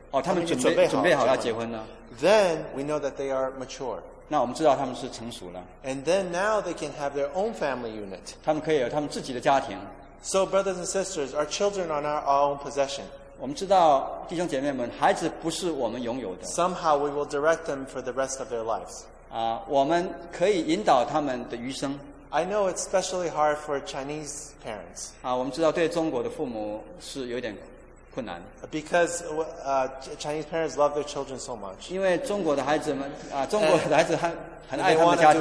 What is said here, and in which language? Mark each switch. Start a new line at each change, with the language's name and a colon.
Chinese: 哦，他们准备好要结婚呢。
English: Then we know that they are mature.
Chinese: 那我们知道他们是成熟了。
English: And then now they can have their own family unit.
Chinese: 他们可以有他们自己的家庭。
English: So brothers and sisters, our children are not our own possession.
Chinese: 我们知道弟兄姐妹们，孩子不是我们拥有的。
English: Somehow we will direct them for the rest of their lives.
Chinese: 啊，我们可以引导他们的余生。
English: I know it's especially hard for Chinese parents.
Chinese: 啊，我们知道对中国的父母是有点困难。
English: Because Chinese parents love their children so much.
Chinese: 因为中国的孩子们啊，中国的孩子很爱他们的家庭。